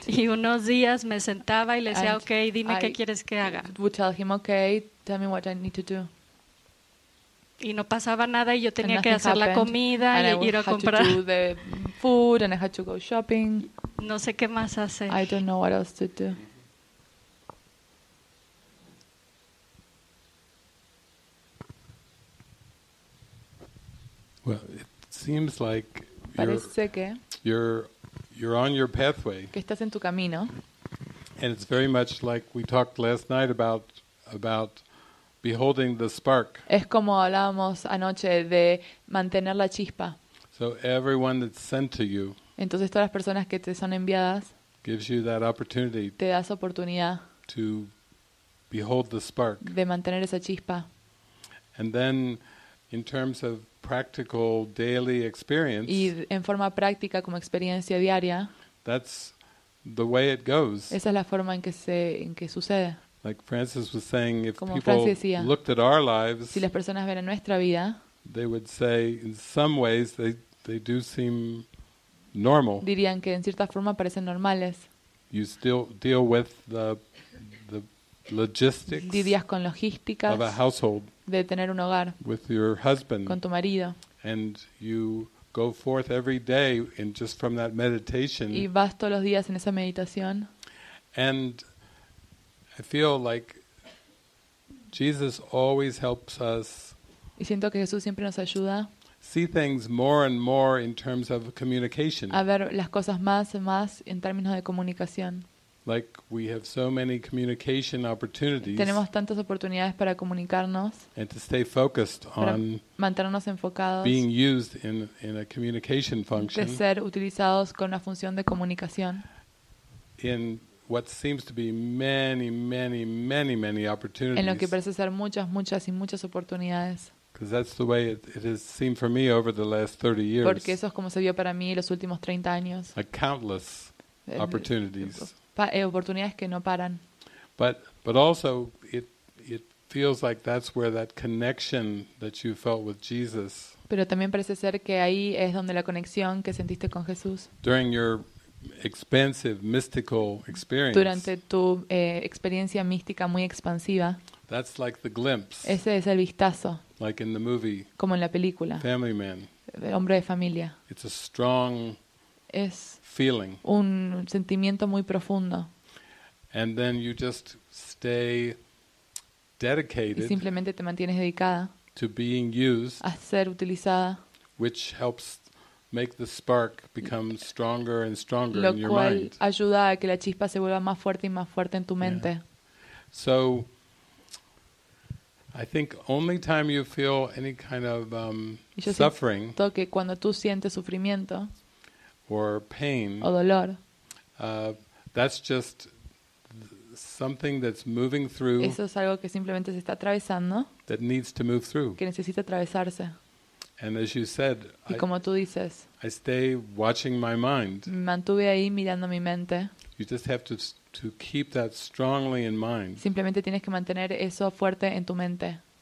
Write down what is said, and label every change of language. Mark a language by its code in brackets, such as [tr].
[es] Y unos días me sentaba y le decía, okay, dime qué quieres que haga. [en] Would tell him, okay, tell me what I need to do. [es] Y no pasaba nada y yo tenía que hacer la comida y ir a comprar. [en] And I had to do the food and I had to go shopping. [es] No sé qué más hacer. [en] I don't know what else to do. Well, it seems like you're on your pathway. [es] Que estás en tu camino. [en] And it's very much like we talked last night about beholding the spark. [es] Es como hablábamos anoche de mantener la chispa. [en] So everyone that's sent to you. [es] Entonces todas las personas que te son enviadas. [en] Gives you that opportunity. [es] Te das oportunidad. [en] To behold the spark. [es] De mantener esa chispa. [en] And then in terms of practical daily experience. [es] Y en forma práctica como experiencia diaria. [en] That's the way it goes. [es] Esa es la forma en que sucede. [en] Like Francis was saying, if [es] como [en] people [es] decía, [en] looked at our lives, [es] si las personas ven nuestra vida, [en] they would say in some ways they do seem normal. [es] Dirían que en cierta forma parecen normales. [en] You still deal with the logistics. [es] Lidias con logísticas. [en] Of a household. [es] De tener un hogar. [en] With your husband. [es] Con tu marido. [en] And you go forth every day in just from that meditation. [es] Y vas todos los días en esa meditación. [en] And I feel like Jesus always helps us. [es] Y siento que Jesús siempre nos ayuda. [en] See things more and more in terms of communication. [es] A ver las cosas más y más en términos de comunicación. [en] Like we have so many communication opportunities. [es] Tenemos tantas oportunidades para comunicarnos. [en] And to stay focused on [es] mantenernos enfocados. [en] Being used in a communication function. [es] De ser utilizados con una función de comunicación. [en] In what seems to be many, many, many, many opportunities. [es] En lo que parece ser muchas, muchas y muchas oportunidades. [en] Because that's the way it has seemed for me over the last 30 years. [es] Porque eso es como se vio para mí los últimos 30 años. [en] A countless opportunities. [es] Oportunidades que no paran. [en] But also it feels like that's where that connection that you felt with Jesus. [es] Pero también parece ser que ahí es donde la conexión que sentiste con Jesús. [en] During your expansive mystical experience. [es] Durante tu experiencia mística muy expansiva. [en] That's like the glimpse. [es] Ese es el vistazo. [en] Like in the movie. [es] Como en la película. [en] Family Man. [es] El hombre de familia. [en] It's a strong. [es] Es [en] feeling. [es] Un sentimiento muy profundo. [en] And then you just stay dedicated. [es] Y simplemente te mantienes dedicada. [en] To being used. [es] A ser utilizada. [en] Which helps make the spark become stronger and stronger [es] lo [en] in your mind. [es] Lo cual ayuda a que la chispa se vuelva más fuerte y más fuerte en tu mente. [en] Yeah. So I think only time you feel any kind of suffering. [es] Yo siento que cuando tú sientes sufrimiento [en] or pain, [es] o dolor, [en] that's just something that's moving through. [es] Eso es algo que simplemente se está atravesando. [en] That needs to move through. [es] Que necesita atravesarse. [en] And as you said, [es] y como tú dices, [en] I stay watching my mind. [es] Mantuve ahí mirando mi mente. [en] You just have to keep that strongly in mind. [es] Simplemente tienes que mantener eso fuerte en tu mente.